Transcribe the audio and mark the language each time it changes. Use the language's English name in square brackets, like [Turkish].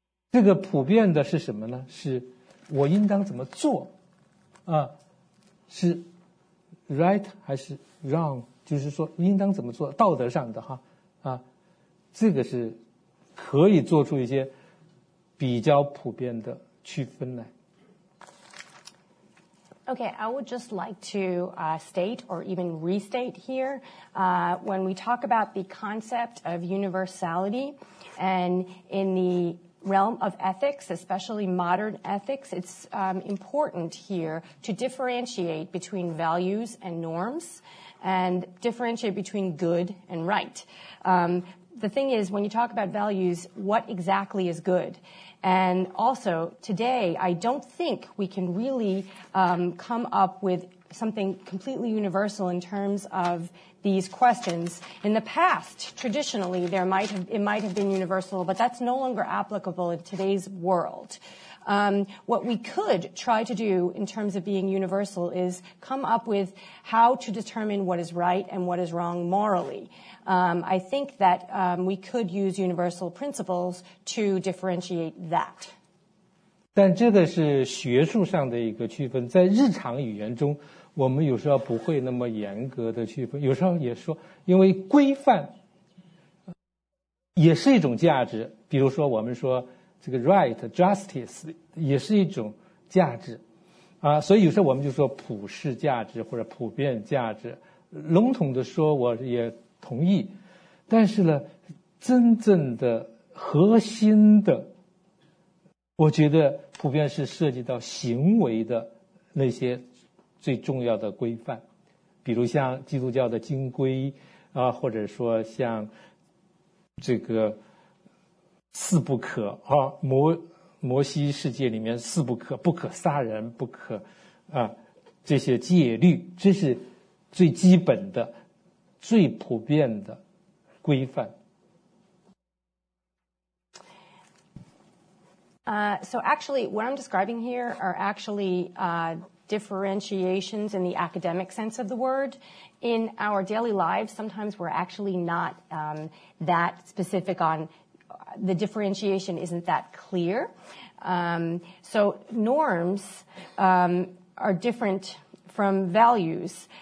[Chinese] 这个普遍的是什么呢？是我应当怎么做啊？是 right 还是 wrong？就是说应当怎么做，道德上的哈啊，这个是可以做出一些比较普遍的区分来。 [English] Okay, I would just like to state or even restate here, when we talk about the concept of universality and in the realm of ethics, especially modern ethics, it's important here to differentiate between values and norms and differentiate between good and right. The thing is, when you talk about values, what exactly is good? And also, today, I don't think we can really come up with something completely universal in terms of these questions. In the past, traditionally, it might have been universal, but that's no longer applicable in today's world. What we could try to do in terms of being universal is come up with how to determine what is right and what is wrong morally. I think that we could use universal principles to differentiate that. [Chinese] 但这个是学术上的一个区分，在日常语言中我们有时候不会那么严格的区分，有时候也说因为规范也是一种价值，比如说我们说这个 right, justice 也是一种价值啊，所以有时候我们就说普世价值或者普遍价值，笼统的说我也同意，但是呢真正的核心的，我觉得普遍是涉及到行为的那些最重要的规范，比如像基督教的经规啊，或者说像这个四不可啊，摩西世界里面四不可，不可杀人，不可啊，这些戒律，这是最基本的、最普遍的规范。 [English] So actually, what I'm describing here are actually differentiations in the academic sense of the word. In our daily lives, sometimes we're actually not that specific on. The differentiation isn't that clear. So norms are different from values.